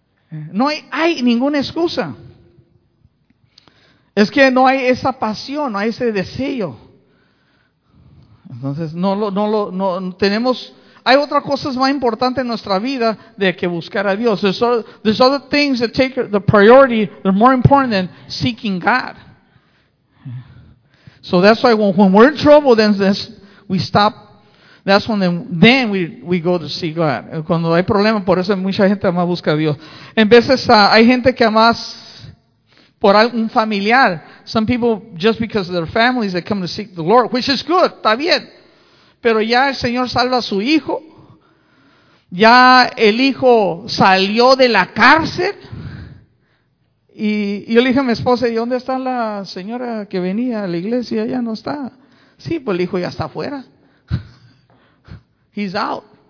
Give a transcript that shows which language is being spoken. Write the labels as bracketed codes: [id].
[es] No hay ninguna excusa. Es que no hay esa pasión, no hay ese deseo. Entonces, no tenemos. Hay otras cosas más importantes en nuestra vida de que buscar a Dios. [en] There's other things that take the priority, they're more important than seeking God. So that's why when we're in trouble, then we stop. That's when we go to seek God. [es] Cuando hay problemas, por eso mucha gente más busca a Dios. En veces hay gente que más por algún familiar. [en] Some people, just because of their families, they come to seek the Lord, which is good, [es] está bien. Pero ya el Señor salva a su hijo. Ya el hijo salió de la cárcel. Y yo le dije a mi esposa, ¿y dónde está la señora que venía a la iglesia? Ya no está. Sí, pues el hijo ya está afuera. [en] He's out.